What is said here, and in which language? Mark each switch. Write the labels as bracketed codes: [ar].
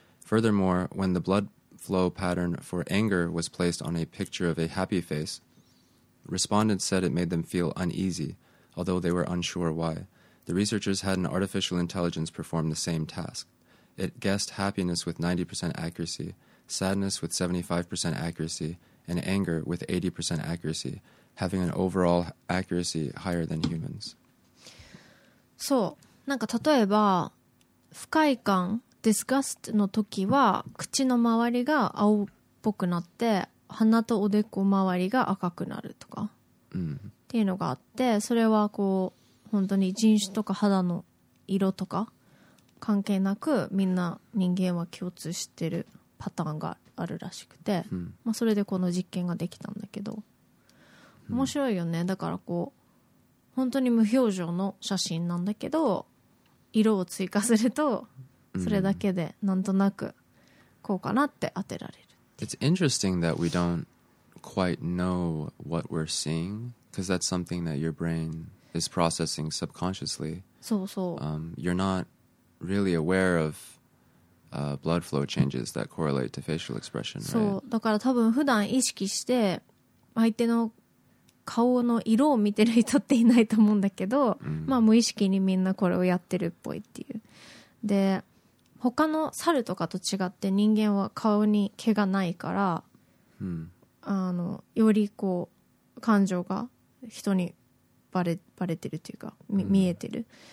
[en] Furthermore, when the blood flow pattern for anger was placed on a picture of a happy face, respondents said it made them feel uneasy, although they were unsure why. The researchers had an artificial intelligence perform the same task. It guessed happiness with 90% accuracy, sadness with 75% accuracy, and anger with 80% accuracy, having an overall accuracy higher than humans. [ja] そう、なんか例えば不快感、disgust の時は口の周りが青っぽくなって、鼻とおでこ周りが赤くなるとかっていうのがあって、それはこう本当に人種とか肌の色とか関係なく、みんな人間は共通してるパターンがあるらしくて、まあそれでこの実験ができたんだけど、面白いよね。だからこう本当に無表情の写真なんだけど、色を追加するとそれだけでなんとなくこうかなって当てられる。 [en] It's interesting that we don't quite know what we're seeing, because that's something that your brain is processing subconsciously. [ja] そうそう。 [en] You're not really aware of blood flow changes that correlate to facial expression, [ja] そう、 [en] right? [ja] だから多分普段意識して相手の顔の色を見てる人っていないと思うんだけど、まあ無意識にみんなこれをやってるっぽいっていう。で、他の猿とかと違って人間は顔に毛がないから、よりこう感情が人にバレてるというか、見えてる。